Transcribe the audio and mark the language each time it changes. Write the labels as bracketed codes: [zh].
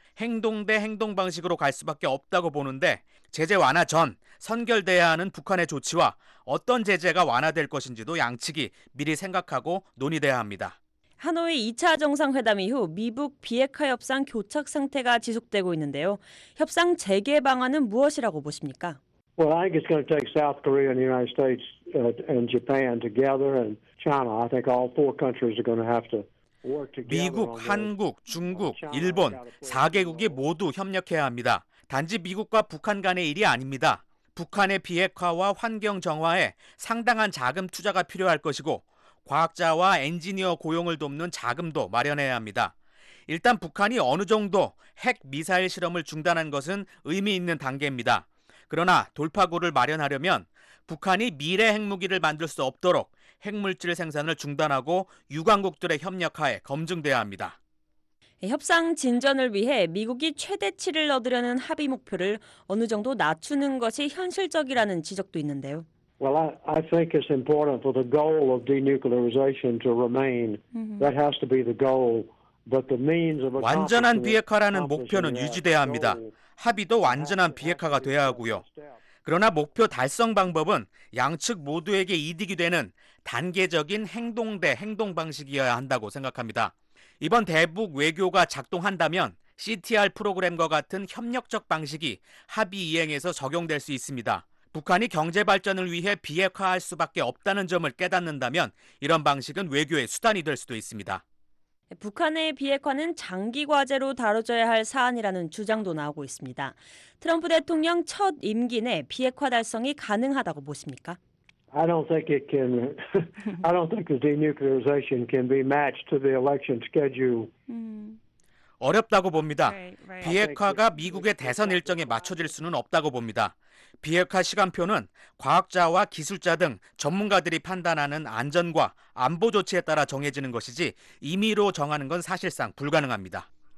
[ko] 행동 대 행동 방식으로 갈 수밖에 없다고 보는데 제재 완화 전 선결돼야 하는 북한의 조치와 어떤 제재가 완화될 것인지도 양측이 미리 생각하고 논의돼야 합니다. 하노이 2차 정상회담 이후 미북 비핵화 협상 교착 상태가 지속되고 있는데요. 협상 재개 방안은 무엇이라고 보십니까? [en] Well, I think it's going to take South Korea and the United States and Japan together and China. I think all four countries are going to have to [ko] 미국, 한국, 중국, 일본, 4개국이 모두 협력해야 합니다. 단지 미국과 북한 간의 일이 아닙니다. 북한의 비핵화와 환경 정화에 상당한 자금 투자가 필요할 것이고 과학자와 엔지니어 고용을 돕는 자금도 마련해야 합니다. 일단 북한이 어느 정도 핵 미사일 실험을 중단한 것은 의미 있는 단계입니다. 그러나 돌파구를 마련하려면 북한이 미래 핵무기를 만들 수 없도록 핵물질 생산을 중단하고 유관국들의 협력하에 검증돼야 합니다. 협상 진전을 위해 미국이 최대치를 얻으려는 합의 목표를 어느 정도 낮추는 것이 현실적이라는 지적도 있는데요. [en] Well, I think it's important for the goal of denuclearization to remain. That has to be the goal. But the means of [ko] 완전한 비핵화라는 목표는 유지돼야 합니다. 합의도 완전한 비핵화가 돼야 하고요. 그러나 목표 달성 방법은 양측 모두에게 이득이 되는 단계적인 행동 대 행동 방식이어야 한다고 생각합니다. 이번 대북 외교가 작동한다면 CTR 프로그램과 같은 협력적 방식이 합의 이행에서 적용될 수 있습니다. 북한이 경제 발전을 위해 비핵화할 수밖에 없다는 점을 깨닫는다면 이런 방식은 외교의 수단이 될 수도 있습니다. 북한의 비핵화는 장기 과제로 다뤄져야 할 사안이라는 주장도 나오고 있습니다. 트럼프 대통령 첫 임기 내 비핵화 달성이 가능하다고 보십니까? [en] I don't think the denuclearization can be matched to the election schedule. [ko] 어렵다고 봅니다. 비핵화가 미국의 대선 일정에 맞춰질 수는 없다고 봅니다. 비핵화 시간표는 과학자와 기술자 등 전문가들이 판단하는 안전과 안보 조치에 따라 정해지는 것이지 임의로 정하는 건 사실상 불가능합니다.